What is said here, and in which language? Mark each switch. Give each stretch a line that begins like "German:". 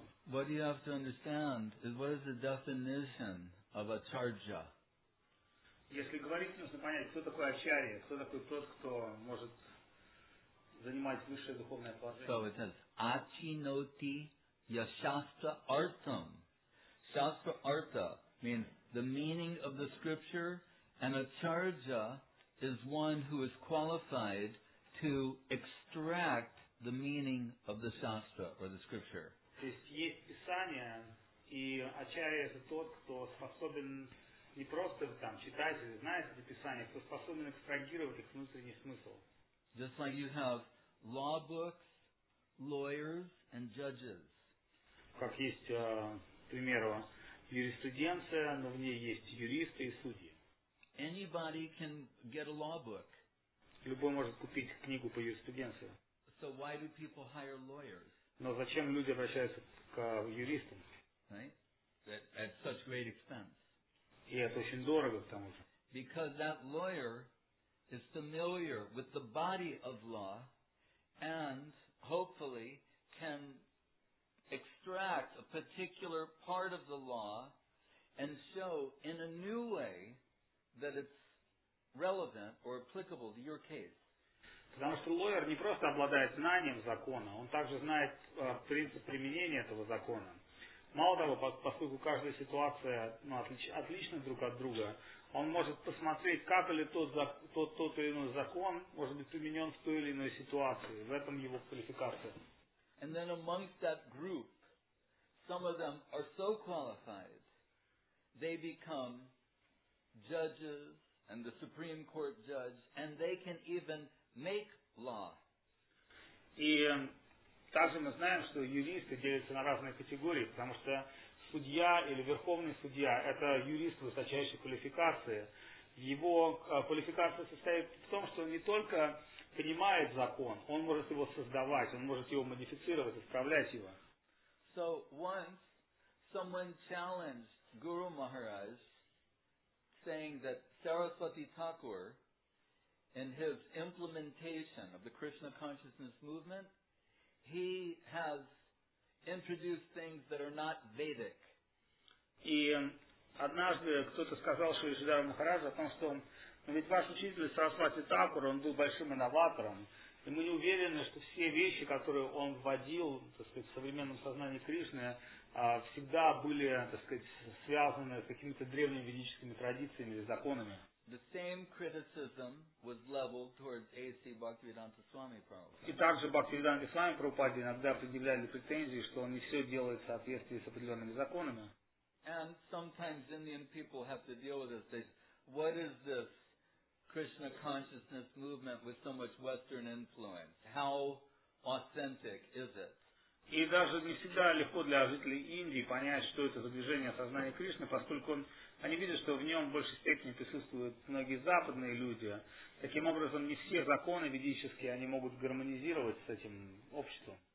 English: What you have to understand is, what is the definition of acharya?
Russian: Если говорить, нужно понять, кто такой ачарья, кто такой тот, кто может занимать высшее духовное положение.
English: So it says, achinoti yashastra artham. Shastra artha means the meaning of the scripture, and acharya is one who is qualified to extract the meaning of the shastra or the scripture.
Russian: То есть есть писание, и ачарья это тот, кто способен не просто там читать или знать это писание, кто способен экстрагировать их внутренний смысл.
English: Just like you have law books, lawyers, and judges.
Russian: Как есть, примеру, юриспруденция, но в ней есть юристы и судьи.
English: Anybody can get a law book.
Russian: Любой может купить книгу по юриспруденции.
English: So why do people hire lawyers?
Russian: Но зачем люди обращаются к юристам?
English: Right? At such great expense.
Russian: И это очень дорого, потому что.
English: Because that lawyer is familiar with the body of law, and hopefully can extract a particular part of the law and show in a new way that it's relevant or applicable to your case.
Russian: Потому что лойер не просто обладает знанием закона, он также знает принцип применения этого закона. Мало того, поскольку каждая ситуация отлична друг от друга, он может посмотреть, как или тот или иной закон может быть применен в той или иной ситуации. В этом его квалификация.
English: And then amongst that group, some of them are so qualified, they become judges and the Supreme Court judge, and they can even make law.
Russian: И также мы знаем, что юристы делятся на разные категории, потому что судья или верховный судья – это юрист высочайшей квалификации. Его квалификация состоит в том, что он не только принимает закон, он может его создавать, он может его модифицировать, исправлять его.
English: So once someone challenged Guru Maharaj, saying that Saraswati Thakur in his implementation of the Krishna consciousness movement, he has introduced things that are not Vedic.
Russian: И однажды кто-то сказал Шри Сидхарта Махараджа о том, что ведь ваш учитель Сарасвати Такур, он был большим инноватором, и мы не уверены, что все вещи, которые он вводил, так сказать, в современном сознании Кришны, всегда были, так сказать, связаны с какими-то древними ведическими традициями или законами.
English: The same criticism was leveled towards A.C. Bhaktivedanta Swami Prabhupada.
Russian: И также Бхактивиданте Свами Прабхупаде иногда предъявляли претензии, что он не все делает в соответствии с определенными законами.
English: And sometimes Indian people have to deal with this. They say, what is this Krishna consciousness movement with so much Western influence? How authentic is it?
Russian: И даже не всегда легко для жителей Индии понять, что это за движение сознания Кришны, поскольку они видят, что в нем в большей степени присутствуют многие западные люди. Таким образом, не все законы ведические они могут гармонизировать с этим обществом.